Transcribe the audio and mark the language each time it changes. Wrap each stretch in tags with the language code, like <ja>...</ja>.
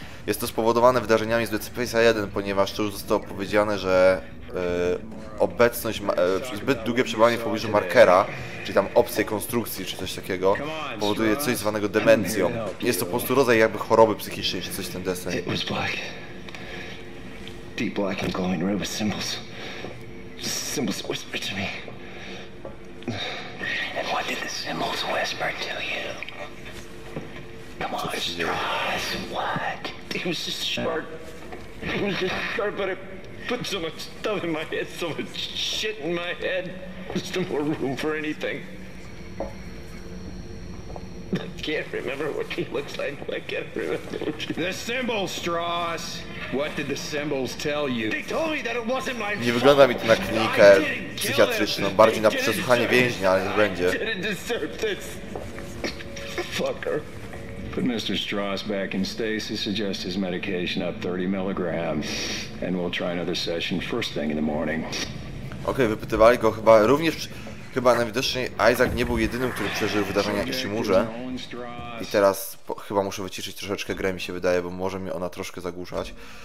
<pl>Jest to spowodowane wydarzeniami z Dead Space 1, ponieważ to już zostało powiedziane, że obecność, zbyt długie przebywanie w pobliżu markera, czyli tam obcej konstrukcji czy coś takiego, powoduje coś zwanego demencją. Jest to po prostu rodzaj jakby choroby psychicznej czy coś w ten deseń.</pl> <en>Deep black and glowing red with symbols. Symbols whispered to me. And what did the symbols whisper to you? Come on, Strauss, what? It was just sharp. It was just sharp, but it put so much stuff in my head, so much shit in my head. There's no more room for anything. I can't remember what he looks like. I can't remember what he looks like. The symbols, Strauss! What did the symbols tell you? They told me that it wasn't my fault.</en> <pl>Nie wygląda mi to na klinikę psychiatryczną, bardziej na przesłuchanie więźnia, ale nie będzie.</pl> <en>I didn't deserve this. Fucker. Put Mr. Strauss back in stasis, suggest his medication up 30 milligrams. And we'll try another session first thing in the morning.</en> <pl>Okej, wypytywali go chyba również. Chyba najwidoczniej Isaac nie był jedynym, który przeżył wydarzenia w Ishimurze. I teraz chyba muszę wyciszyć troszeczkę grę, mi się wydaje, bo może mi ona troszkę zagłuszać.</pl>